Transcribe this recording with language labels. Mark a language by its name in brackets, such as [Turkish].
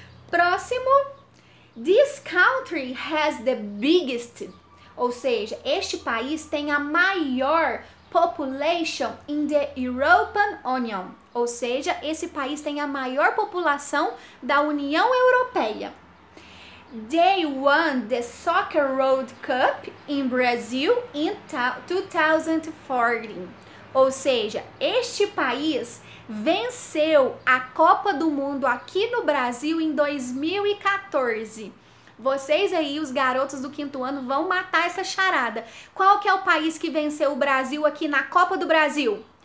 [Portuguese] Próximo. [English] This country has the biggest. [Portuguese] Ou seja, este país tem a maior [English] population in the European Union. [Portuguese] Ou seja, esse país tem a maior população da União Europeia. [English] They won the Soccer World Cup in Brazil in 2014. [Portuguese] Ou seja, este país venceu a Copa do Mundo aqui no Brasil em 2014. Vocês aí, os garotos do quinto ano, vão matar essa charada. Qual que é o país que venceu o Brasil aqui na Copa do Brasil?